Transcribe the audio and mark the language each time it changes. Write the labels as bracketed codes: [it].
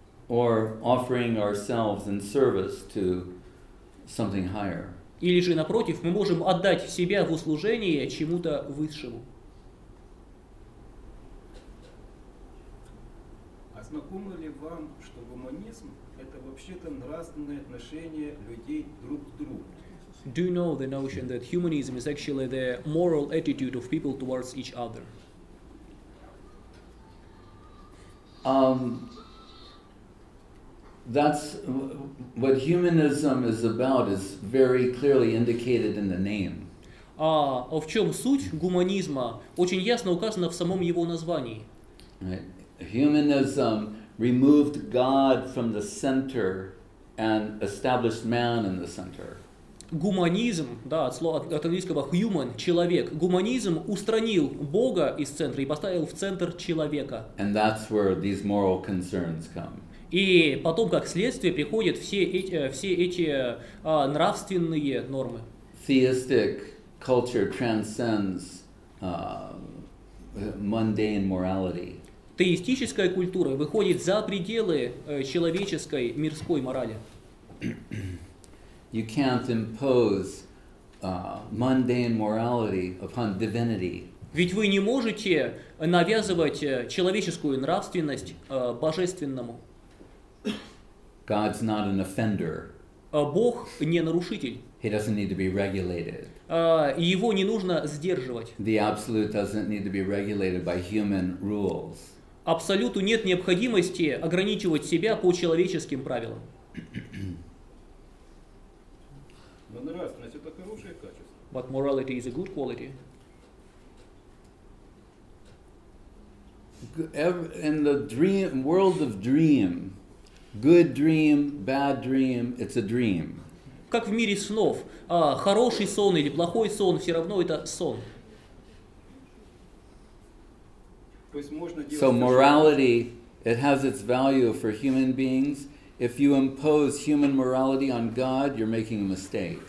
[en] Or offering ourselves in service to something higher. [ru] Или же, напротив, мы можем отдать себя в услужение чему-то высшему. А знакомо ли вам, что гуманизм — это вообще-то нравственное отношение людей друг к другу? [en] Do you know the notion that humanism is actually the moral attitude of people towards each other? That's what humanism is about is very clearly indicated in the name. [ru] В чём суть гуманизма? Очень ясно указано в самом его названии. [en] Right. Humanism removed God from the center and established man in the center. [ru] Гуманизм, да, от слова от английского human, человек. Гуманизм устранил Бога из центра и поставил в центр человека. [en] And that's where these moral concerns come. [ru] И потом, как следствие, приходят все эти нравственные нормы. [en] Theistic culture transcends mundane morality. [ru] Теистическая культура выходит за пределы человеческой мирской морали. [en] You can't impose mundane morality upon divinity. [ru] Ведь вы не можете навязывать человеческую нравственность божественному. [en] God's not an offender. [ru] Бог не нарушитель. [en] He doesn't need to be regulated. [ru] Его не нужно сдерживать. [en] The absolute doesn't need to be regulated by human rules. [ru] Абсолюту нет необходимости ограничивать себя по человеческим правилам. Но нравственность — это хорошее качество. [en] But morality is a good quality. In the dream world of dream, good dream, bad dream, it's a dream. [ru] Как в мире снов, хороший сон или плохой сон, все равно это сон. [en] So morality, it has its value for human beings. If you impose human morality on God, you're making a mistake.